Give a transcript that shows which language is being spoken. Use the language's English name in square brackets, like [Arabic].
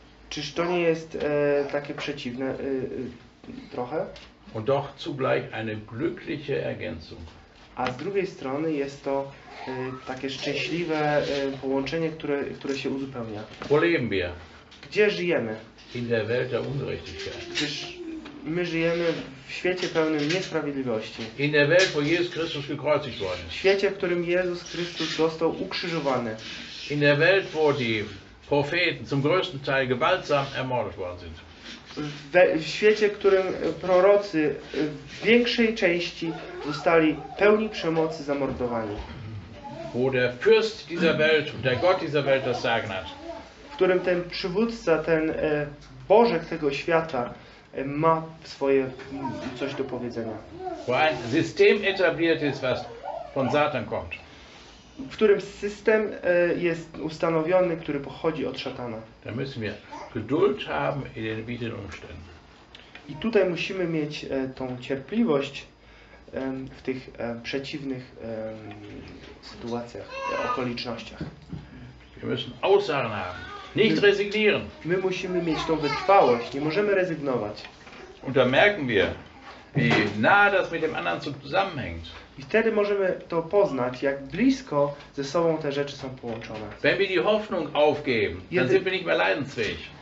[Polish] Czyż to nie jest takie przeciwne trochę? [German] Und doch zugleich eine glückliche Ergänzung. [Polish] A z drugiej strony jest to takie szczęśliwe połączenie, które się uzupełnia. [German] Wo leben wir? [Polish] Gdzie żyjemy? [German] In der Welt der Ungerechtigkeit. [Polish] Gdyż my żyjemy w świecie pełnym niesprawiedliwości. [German] In der Welt, wo Jesus Christus gekreuzigt worden ist. [Polish] W świecie, w którym Jezus Chrystus został ukrzyżowany. [German] In der Welt, wo die Propheten zum größten Teil gewaltsam ermordet worden sind. [Polish] W świecie, w którym prorocy w większej części zostali pełni przemocy zamordowani. [German] Wo der Fürst dieser Welt und der Gott dieser Welt das Sagen hat. [Polish] W którym ten przywódca, ten Bożek tego świata ma swoje coś do powiedzenia. [German] Wo ein System etabliert ist, was von Satan kommt. [Polish] W którym system jest ustanowiony, który pochodzi od szatana. [German] Da müssen wir Geduld haben in den widrigen Umständen. [Polish] I tutaj musimy mieć tą cierpliwość w tych przeciwnych sytuacjach, okolicznościach. [German] Wir müssen Ausharren haben, nicht resignieren. [Polish] My musimy mieć tą wytrwałość, nie możemy rezygnować. [German] Und da merken wir, wie nah das mit dem anderen zusammenhängt. [Polish] I wtedy możemy to poznać, jak blisko ze sobą te rzeczy są połączone. [German] Wenn wir die Hoffnung aufgeben, dann sind wir nicht mehr leidensfähig.